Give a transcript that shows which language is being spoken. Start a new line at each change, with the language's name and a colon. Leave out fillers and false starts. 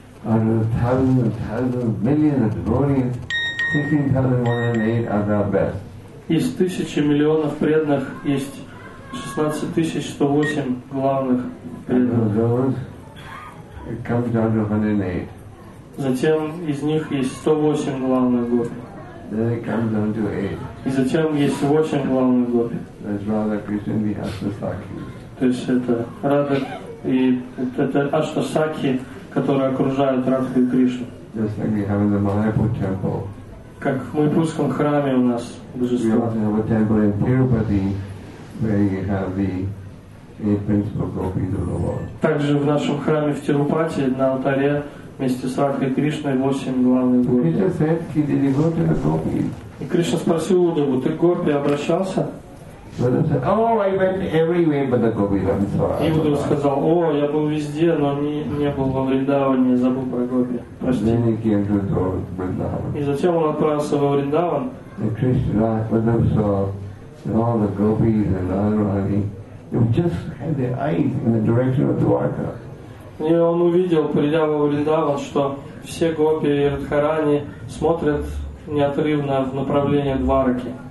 English: And thousands and thousands, millions of devotees, 16,108 are our best.
Russian: Из тысячи миллионов преданных есть 16,108 главных преданных.
English: It comes down to 108.
Russian: Затем из них есть 108 главных гопи.
English: Then it comes down to 8.
Russian: И затем есть 8 главных гопи.
English: That's Radha Krishna the Ashtasakhi.
Russian: То есть это Радха и это Аштасакхи, которые окружают Радху и Кришну.
English: Just like we have in the Mayapur temple.
Russian: Как в Майпурском храме у нас божество.
English: We also have a temple in Tirupati where you have the Eight principal gopis of the Lord.
Russian: Также в нашем храме в Тирупати на алтаре вместе с Радхой Кришной 8 главных гопи.
English: Krishna said, did you go to the gopi?
Russian: И Кришна спросил Удаву, ты к гопи обращался?
English: Said, oh, I went everywhere but the gopi. I'm sorry.
Russian: И Удав сказал, о, я был везде, но не был во Вриндаване, забыл про гопи. Прости. И затем он отправился во Вриндаван.
English: And Krishna, Udav saw all the gopis and Radharani. They just had their eyes in the direction of Dwarka.
Russian: И он увидел, придя во Вриндаван, что все гопи и Радхарани смотрят неотрывно в направлении Двараки.